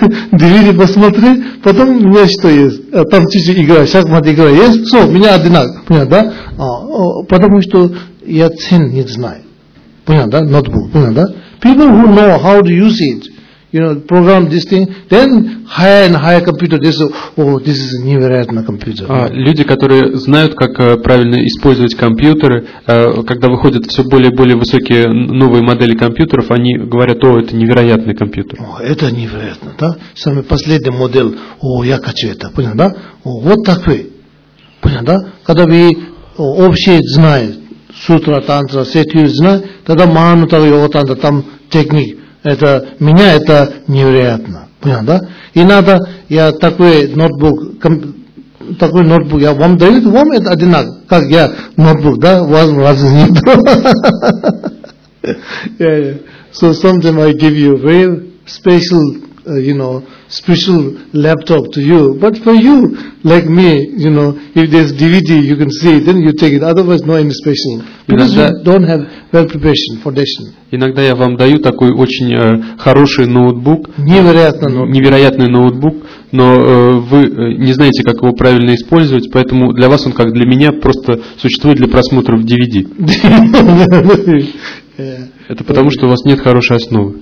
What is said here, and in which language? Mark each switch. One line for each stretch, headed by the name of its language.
Russian: DVD посмотри, потом у меня что есть? Там чуть-чуть игра, шахмат игра есть, все, у меня одинаково, понятно, да? Потому что я цен не знаю. Понятно, да? Ноутбук, понятно, да?
English: People who know how to use it, you know, program this thing, then higher and higher computer, they say, oh, this is a
Russian: невероятный
English: computer.
Russian: Люди, которые знают, как правильно использовать компьютеры, когда выходят все более и более высокие новые модели компьютеров, они говорят, о, это невероятный компьютер. Это невероятно, да? Самый последний модель, о, я хочу это, понятно, да? Вот такой, понятно, да? Когда вы общее знание, сутра, тантра, сетью знание, тогда Mahamudra Yoga Tantra, там техник, это меня это невероятно. Понятно, да? И надо, я такой ноутбук, я вам даю, вам это одинаково, как я ноутбук, да, у вас разницы нет.
English: So sometimes I give you very special, you know, special laptop to you, but for you, like me, you know, if there's DVD, you can see, then you take it. Otherwise, no any special, because you don't have well preparation foundation.
Russian: Иногда я вам даю такой очень хороший ноутбук, невероятный ноутбук, но вы не знаете, как его правильно использовать, поэтому для вас он как для меня просто существует для просмотра в DVD. Это потому, что у вас нет хорошей основы.